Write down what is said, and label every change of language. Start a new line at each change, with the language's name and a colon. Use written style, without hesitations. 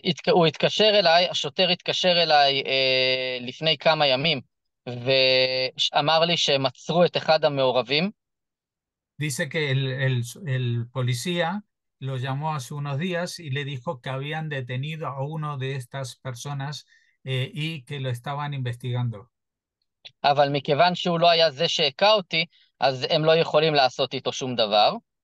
Hebrew: הוא התקשר אליי, השוטר התקשר אליי לפני כמה ימים ואמר לי שהם עצרו את אחד המעורבים.
Spanish: Dice que el policía lo llamó hace unos días y le dijo que habían detenido a uno de estas personas y que lo estaban investigando.
Hebrew: אבל מכיוון שהוא לא היה זה שהכה אותי, אז הם לא יכולים לעשות איתו שום דבר.